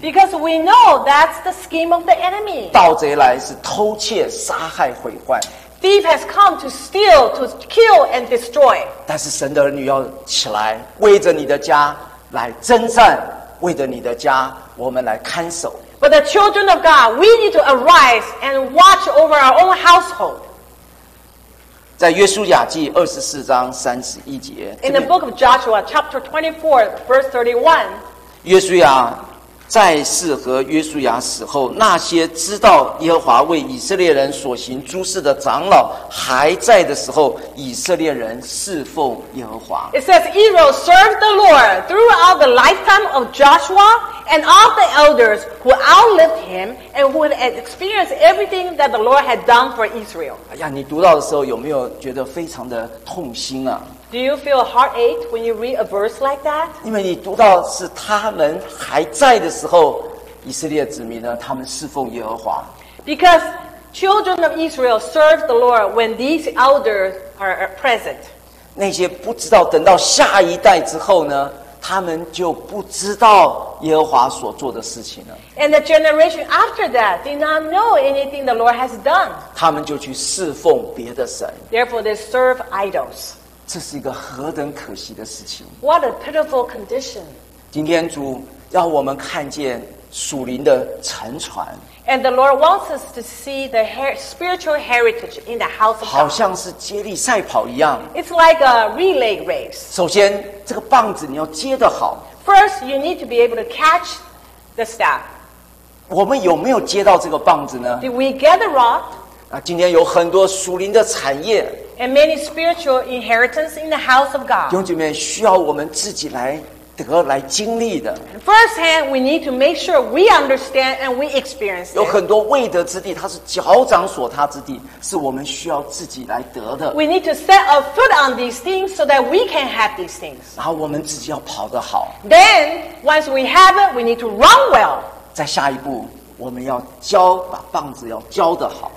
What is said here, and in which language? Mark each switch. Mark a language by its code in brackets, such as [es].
[en] Because we know that's the scheme of the enemy. [zh] 盗贼来是偷窃、杀害、毁坏。 [en] Thief has come to steal, to kill and destroy. [zh] 但是神的儿女要起来，为着你的家来征战。为着你的家，我们来看守。 [en] But the children of God, we need to arise and watch over our own household. [zh] 在约书亚记二十四章三十一节。 [en] In the book of Joshua, chapter 24, verse 31. [zh] 约书亚在世和约书亚死后，那些知道耶和华为以色列人所行诸事的长老还在的时候，以色列人侍奉耶和华。 [en] It says Israel served the Lord throughout the lifetime of Joshua and all the elders who outlived him and who had experienced everything that the Lord had done for Israel. [zh] 哎呀，你读到的时候有没有觉得非常的痛心啊？ [en] Do you feel a heartache when you read a verse like that? [zh] 因为你读到是他们还在的时候，以色列子民呢，他们侍奉耶和华。 [en] Because children of Israel serve the Lord when these elders are present. [zh] 那些不知道等到下一代之后呢，他们就不知道耶和华所做的事情了。 [en] And the generation after that did not know anything the Lord has done. [zh] 他们就去侍奉别的神。 [en] Therefore, they serve idols. [zh] 这是一个何等可惜的事情。 [en] What a pitiful condition. [zh] 今天主要我们看见属灵的沉船。 [en] And the Lord wants us to see the spiritual heritage in the house of God. [zh] 好像是接力赛跑一样。 [en] It's like a relay race. [zh] 首先，这个棒子你要接得好。 [en] First, you need to be able to catch the staff. [zh] 我们有没有接到这个棒子呢？ [en] Did we get the rod? [zh] 那今天有很多属灵的产业。 [en] And many spiritual inheritance in the house of God. [zh] 弟兄姐妹，需要我们自己来得来经历的。 [en] First hand, we need to make sure we understand and we experience it. [zh] 有很多未得之地，它是脚掌所踏之地，是我们需要自己来得的。 [en] We need to set a foot on these things so that we can have these things. [zh] 然后我们自己要跑得好。 [en] Then, once we have it, we need to run well. [zh] 在下一步，我们要教，把棒子要教得好。